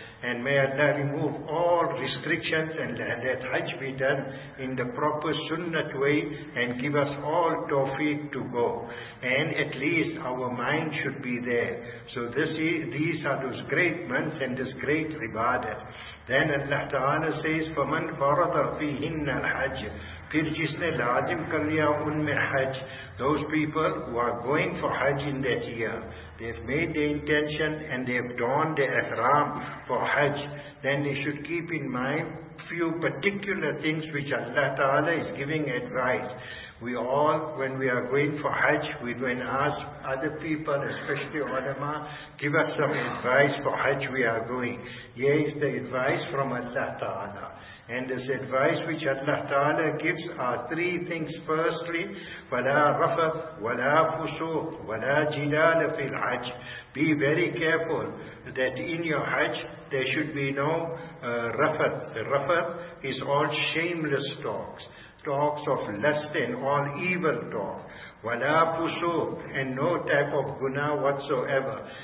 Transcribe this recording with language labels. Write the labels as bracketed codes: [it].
[en] And may Allah remove all restrictions and let Hajj be done in the proper sunnat way and give us all tawfiq to go. And at least our mind should be there. So these are those great months and this great ibadah. Then Allah Ta'ala says, [ar] فَمَنْ فَرَضَ فِيهِنَّ الْحَجِّ [ur] پھر جس نے لازم کر لیا ان میں حج. [en] Those people who are going for Hajj in that year, they have made the intention and they have donned the ihram for Hajj, then they should keep in mind few particular things which Allah Ta'ala is giving advice. We all, when we are going for Hajj, we go and ask other people, especially ulama, give us some advice for Hajj we are going. Here is the advice from Allah Ta'ala. And this advice which Allah Ta'ala gives are three things. [ar] Firstly, وَلَا رَفَثْ وَلَا فُسُوْقْ وَلَا جِدَالَ فِي الْحَجِّ. [en] Be very careful that in your Hajj there should be no rafath. Rafath is all shameless talks. Talks of lust and all evil talk. [ar] وَلَا فُسُوْقْ, [en] and no type of guna whatsoever.